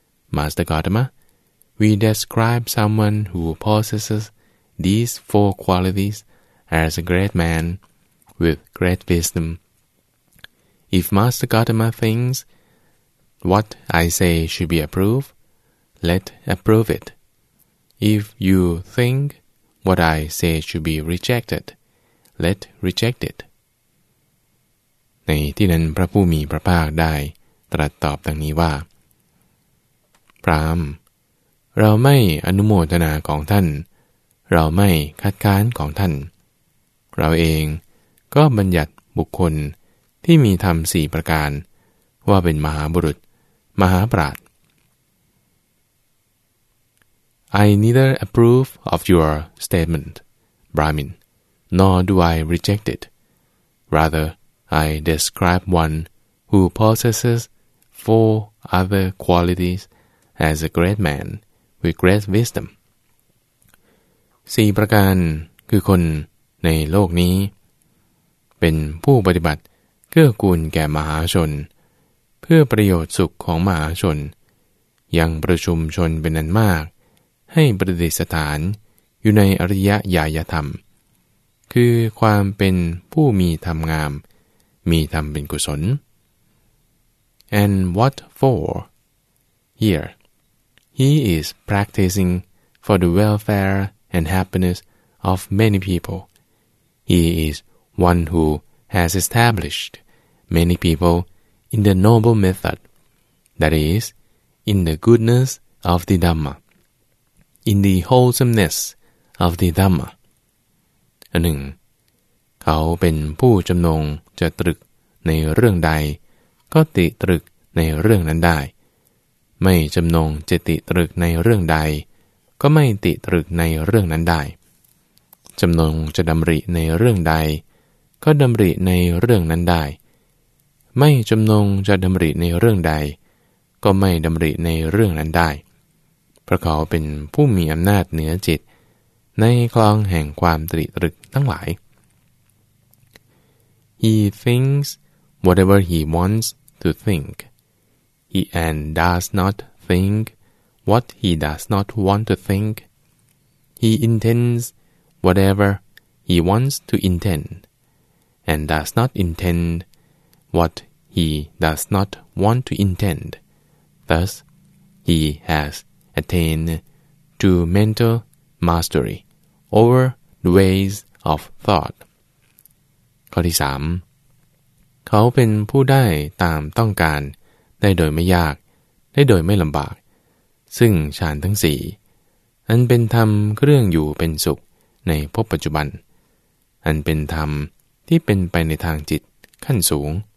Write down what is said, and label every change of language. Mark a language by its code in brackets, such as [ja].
[en] Master Gautama,We describe someone who possesses these four qualities as a great man with great wisdom. If Master Gautama thinks what I say should be approved, let approve it. If you think what I say should be rejected, let reject it. [th] ในที่นั้นพระผู้มีพระภาคได้ตรัสตอบดังนี้ว่าพราหมณ์เราไม่อนุโมทนาของท่านเราไม่คัดค้านของท่านเราเองก็บัญญัติบุคคลที่มีธรรมสี่ประการว่าเป็นมหาบุรุษมหาปราชญ์ [en] I neither approve of your statement, Brahmin, nor do I reject it. Rather, I describe one who possesses four other qualities as a great man. With great wisdom. [th] สี่ประการคือคนในโลกนี้เป็นผู้ปฏิบัติ เกื้อกูลแก่มหาชนเพื่อประโยชน์สุขของมหาชนยังประชุมชนเป็นอันมากให้ประดิษฐานอยู่ในอริยญาณธรรมคือความเป็นผู้มีธรรมงามมีธรรมเป็นกุศล [en] And what for? Here, he is practicing for the welfare and happiness of many people. He is one who has established many people in the noble method, that is, in the goodness of the Dhamma, in the wholesomeness of the Dhamma. [th] อันหนึ่งเขาเป็นผู้จำนงจะตรึกในเรื่องใดก็ติตรึกในเรื่องนั้นได้ไม่จำนงจะติตรึกในเรื่องใดก็ไม่ติตรึกในเรื่องนั้นได้ จำนงจะดำริในเรื่องใดก็ดำริในเรื่องนั้นได้ไม่จำนงจะดำริในเรื่องใดก็ไม่ดำริในเรื่องนั้นได้พระเขาเป็นผู้มีอำนาจเหนือจิตในคลองแห่งความตริตรึกทั้งหลาย [en] He thinks whatever he wants to think. He and does not think what he does not want to think. He intends whatever he wants to intend, and does not intend what he does not want to intend. Thus, he has attained to mental mastery over the ways of thought. [th] ข้อที่สามเขาเป็นผู้ได้ตามต้องการได้โดยไม่ยากได้โดยไม่ลำบากซึ่งฌานทั้งสี่อันเป็นธรรมเครื่องอยู่เป็นสุขในภพปัจจุบันอันเป็นธรรมที่เป็นไปในทางจิตขั้นสูง